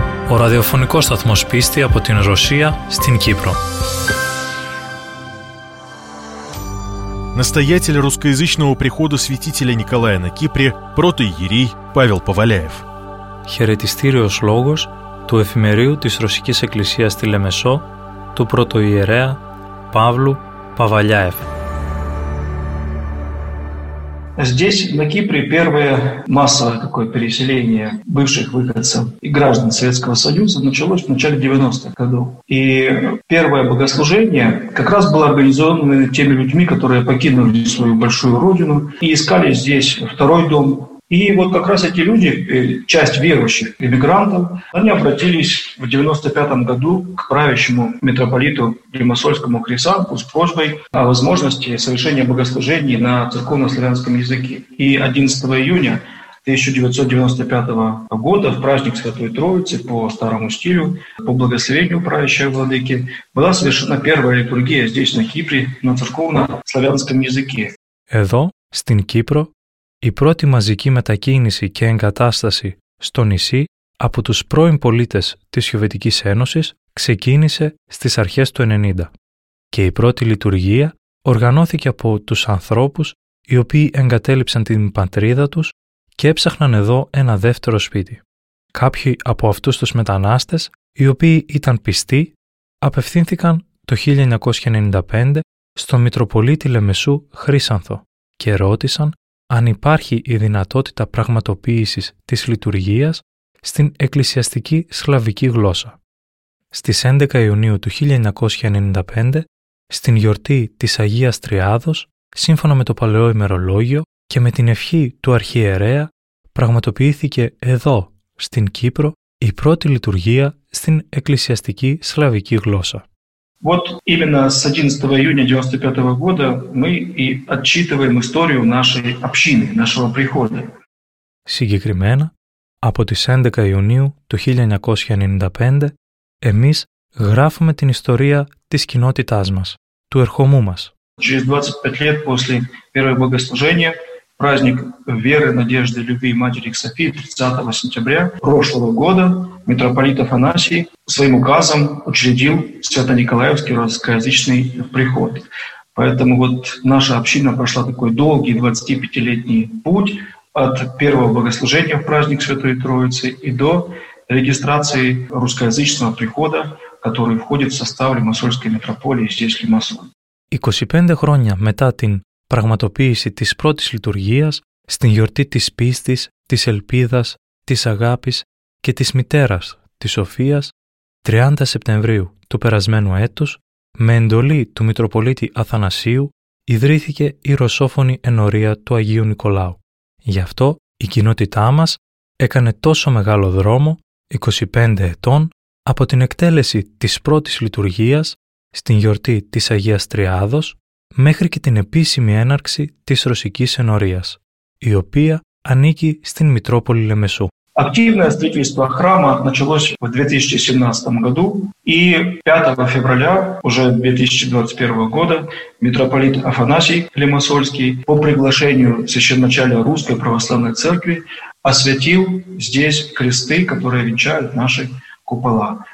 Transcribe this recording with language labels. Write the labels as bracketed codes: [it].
[el] Ο ραδιοφωνικός σταθμός πίστη από την Ρωσία στην Κύπρο. [ru] Настоятель русскоязычного прихода святителя Николая на Кипре, протоиерей Павел Поваляев. [el] Χαιρετιστήριος λόγος του εφημερίου της Ρωσικής Εκκλησίας στη Λεμεσό του πρωτοιερέα Παύλου Παβαλιάεφ. [ru] Здесь, на Кипре, первое массовое такое переселение бывших выходцев и граждан Советского Союза началось в начале 90-х годов. И первое богослужение как раз было организовано теми людьми, которые покинули свою большую родину и искали здесь второй дом. И вот как раз эти люди, часть верующих эмигрантов, они обратились в 95-м году к правящему митрополиту Лимассольскому Крисанфу с просьбой о возможности совершения богослужений на церковно-славянском языке. И 11 июня 1995 года в праздник Святой Троицы по старому стилю, по благословению правящего владыки, была совершена первая литургия здесь, на Кипре, на церковно-славянском языке. [el] Εδώ, στην Κύπρο, η πρώτη μαζική μετακίνηση και εγκατάσταση στο νησί από τους πρώην πολίτες της Σοβιετικής Ένωσης ξεκίνησε στις αρχές του 90. Και η πρώτη λειτουργία οργανώθηκε από τους ανθρώπους οι οποίοι εγκατέλειψαν την πατρίδα τους και έψαχναν εδώ ένα δεύτερο σπίτι. Κάποιοι από αυτούς τους μετανάστες, οι οποίοι ήταν πιστοί, απευθύνθηκαν το 1995 στο Μητροπολίτη Λεμεσού Χρύσανθο και ρώτησαν αν υπάρχει η δυνατότητα πραγματοποίησης της λειτουργίας στην εκκλησιαστική σλαβική γλώσσα. Στις 11 Ιουνίου του 1995, στην γιορτή της Αγίας Τριάδος, σύμφωνα με το παλαιό ημερολόγιο και με την ευχή του αρχιερέα, πραγματοποιήθηκε εδώ, στην Κύπρο, η πρώτη λειτουργία στην εκκλησιαστική σλαβική γλώσσα. [ru] Вот именно с 11 июня 1995 года мы и отчитываем историю нашей общины, нашего прихода. [el] Συγκεκριμένα, από τις 11 Ιουνίου του 1995, εμείς γράφουμε την ιστορία της κοινότητάς μας, του ερχομού μας. [ru] Через 25 лет после первого богослужения, праздник веры, надежды, любви Матери к Софии 30 сентября прошлого года, митрополит Афанасий своим указом учредил Свято-Николаевский русскоязычный приход. Поэтому вот наша община прошла такой долгий 25-летний путь от первого богослужения в праздник Святой Троицы и до регистрации русскоязычного прихода, который входит в состав Лимассольской митрополии здесь, Лимассоль. [el] 25 хроня мета тин πραγματοποίηση της πρώτης λειτουργίας στην γιορτή της πίστης, της ελπίδας, της αγάπης και της μητέρας, της Σοφίας, 30 Σεπτεμβρίου του περασμένου έτους, με εντολή του Μητροπολίτη Αθανασίου, ιδρύθηκε η Ρωσόφωνη Ενορία του Αγίου Νικολάου. Γι' αυτό η κοινότητά μας έκανε τόσο μεγάλο δρόμο, 25 ετών, από την εκτέλεση της πρώτης λειτουργίας στην γιορτή της Αγίας Τριάδος, μέχρι και την επίσημη έναρξη της Ρωσικής Ενορίας, η οποία ανήκει στην Μητρόπολη Λεμεσού. [ru] Активное строительство храма началось в 2017 году, и 5 февраля уже 2021 года митрополит Афанасий Лимассольский по приглашению священачалия Русской Православной Церкви освятил здесь кресты, которые венчают наши купола.